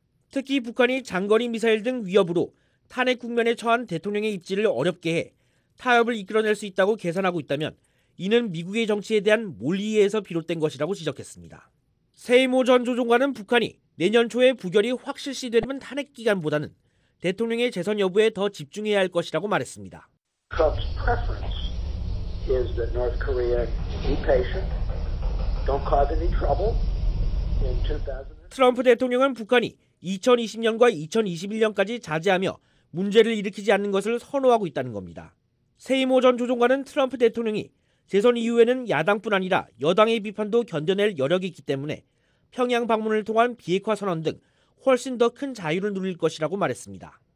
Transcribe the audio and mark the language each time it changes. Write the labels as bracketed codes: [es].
[ko] 특히 북한이 장거리 미사일 등 위협으로 탄핵 국면에 처한 대통령의 입지를 어렵게 해 타협을 이끌어낼 수 있다고 계산하고 있다면 이는 미국의 정치에 대한 몰이해에서 비롯된 것이라고 지적했습니다. 세이모 전 조종관은 북한이 내년 초에 부결이 확실시 되면 탄핵 기간보다는 대통령의 재선 여부에 더 집중해야 할 것이라고 말했습니다. [en] Trump's preference is that North Korea be patient, don't cause any trouble in 2000. [ko] 트럼프 대통령은 북한이 2020년과 2021년까지 자제하며 문제를 일으키지 않는 것을 선호하고 있다는 겁니다. 세이모 전 조종관은 트럼프 대통령이 재선 이후에는 야당뿐 아니라 여당의 비판도 견뎌낼 여력이 있기 때문에 평양 방문을 통한 비핵화 선언 등 훨씬 더 큰 자유를 누릴 것이라고 말했습니다.